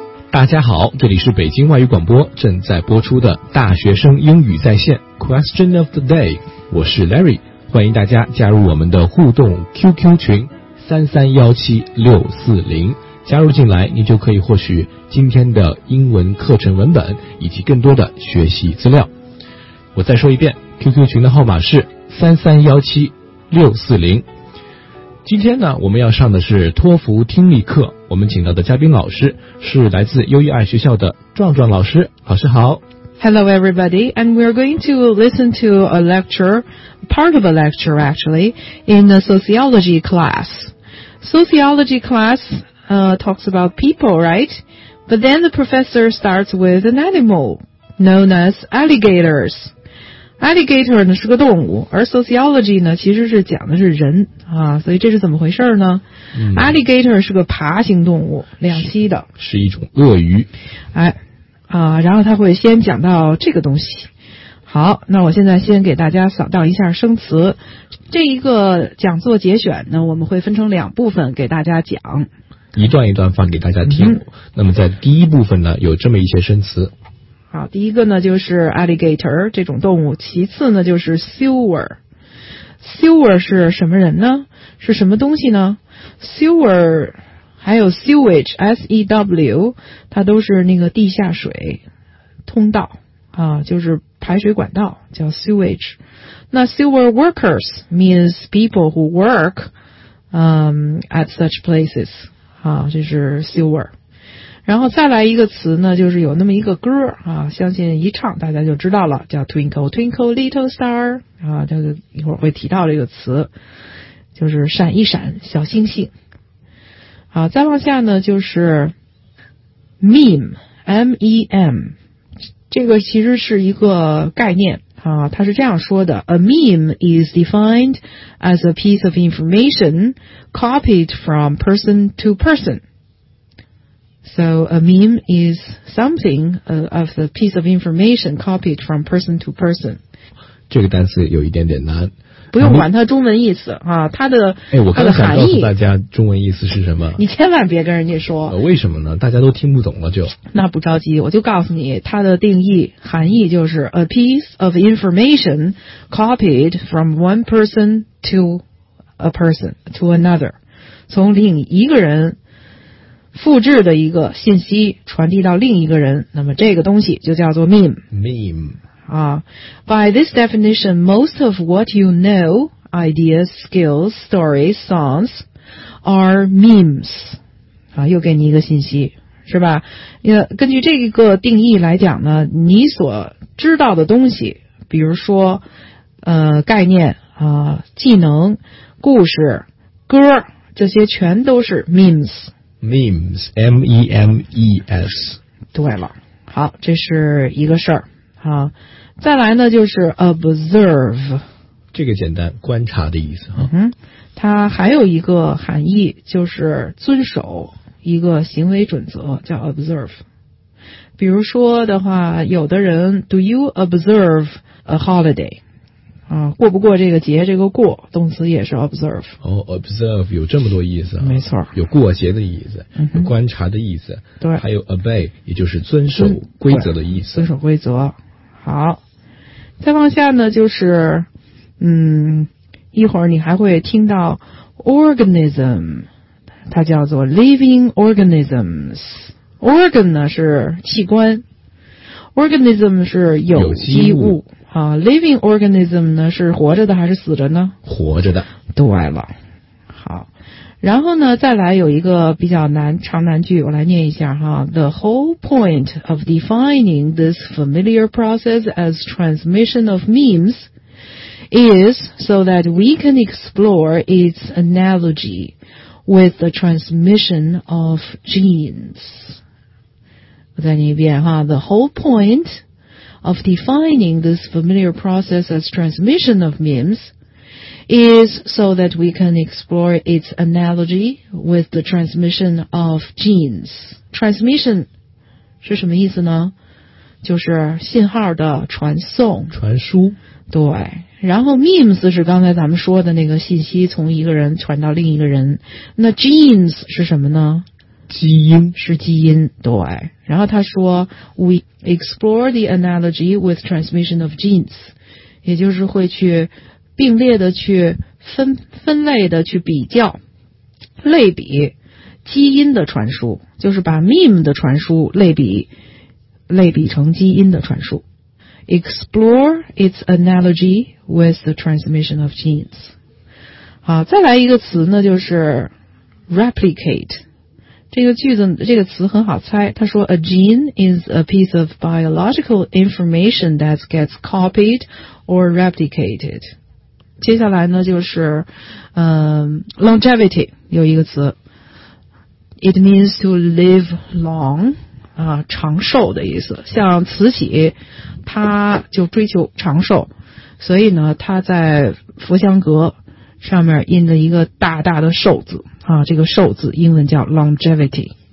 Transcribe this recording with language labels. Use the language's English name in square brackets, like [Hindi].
[Chinese] 大家好，这里是北京外语广播正在播出的大学生英语在线 Question of the Day， 我是 Larry， 欢迎大家加入我们的互动 QQ 群3317640，加入进来你就可以获取今天的英文课程文本以及更多的学习资料。我再说一遍， QQ 群的号码是3317640。今天呢，我们要上的是托福听力课，我们请到的嘉宾老师是来自优育爱学校的壮壮老师。老师好。 [English] Hello everybody, and we're going to listen to a lecture, part of a lecture actually, in a sociology class. Sociology class, talks about people, right? But then the professor starts with an animal, known as alligators. [Chinese] Alligator 呢是个动物，而 sociology 呢其实是讲的是人啊，所以这是怎么回事呢？嗯、 Alligator 是个爬行动物，两栖的，是一种鳄鱼。哎，啊，然后他会先讲到这个东西。好，那我现在先给大家扫到一下生词。这一个讲座节选呢，我们会分成两部分给大家讲，一段一段放给大家听。嗯、那么在第一部分呢，有这么一些生词。好，第一个呢就是 alligator 这种动物，其次呢就是 sewer。 sewer 是什么人呢？是什么东西呢？ sewer 还有 sewage S-E-W 它都是那个地下水通道啊，就是排水管道叫 sewage。 [English] 那 sewer workers means people who work at such places 啊， [Chinese] 这是 [English] sewer。 [Chinese] 然后再来一个词呢，就是有那么一个歌啊，相信一唱大家就知道了，叫 Twinkle Twinkle Little Star 啊，就是一会儿会提到这个词，就是闪一闪小星星。好，再往下呢就是 meme，M-E-M， 这个其实是一个概念啊，它是这样说的 ： [English] A meme is defined as a piece of information copied from person to person。 So a meme is something of the piece of information copied from person to person. [Chinese] 这个单词有一点点难。不用管它中文意思啊，它的哎，我刚才想告诉大家中文意思是什么。你千万别跟人家说。为什么呢？大家都听不懂了就。那不着急，我就告诉你它的定义含义，就是 [English] a piece of information copied from one person to a person to another， [Chinese] 从另一个人。复制的一个信息传递到另一个人，那么这个东西就叫做 meme。 [English] By this definition, most of what you know, ideas, skills, stories, songs, are memes. [Chinese] 啊，又给你一个信息，是吧？根据这个定义来讲呢，你所知道的东西，比如说，概念啊、技能、故事、歌，这些全都是 memes。 [English] Memes, M-E-M-E-S。 [Chinese] 对了，好，这是一个事儿。好，再来呢就是 observe，这个简单，观察的意思。嗯，它还有一个含义，就是遵守一个行为准则，叫 observe。比如说的话，有的人 [English] Do you observe a holiday？ [Chinese] 啊，过不过这个节，这个过动词也是 observe。哦， observe 有这么多意思、啊、没错，有过节的意思、嗯、有观察的意思，对，还有 obey 也就是遵守规则的意思、嗯、遵守规则。好，再往下呢就是一会儿你还会听到 organism， 它叫做 living organisms。 organ 呢是器官， organism 是有机物。啊 ，living organism 呢是活着的还是死着呢？活着的。对了，好，然后呢，再来有一个比较难长难句，我来念一下哈。 [English] The whole point of defining this familiar process as transmission of memes is so that we can explore its analogy with the transmission of genes。 [Chinese] 我再念一遍哈 [English] ，The whole point。 Of defining this familiar process as transmission of memes is so that we can explore its analogy with the transmission of genes. [Chinese] Transmission 是什么意思呢？就是信号的传送。传输。对。然后 memes 是刚才咱们说的那个信息从一个人传到另一个人。那 genes 是什么呢？基因，是基因，对。然后他说 [English] We explore the analogy with transmission of genes， [Chinese] 也就是会去并列的去分类的去比较类比基因的传输，就是把 meme 的传输类比成基因的传输。 [English] Explore its analogy with the transmission of genes。 [Chinese] 好，再来一个词呢，就是 replicate。这个句子，这个词很好猜，他说 [English] A gene is a piece of biological information that gets copied or replicated。 [Chinese] 接下来呢，就是longevity， 有一个词 ， [English] it means to live long， [Chinese] 啊，长寿的意思。像慈禧，他就追求长寿，所以呢，他在佛香阁上面印了一个大大的寿字啊，这个寿字英文叫 longevity。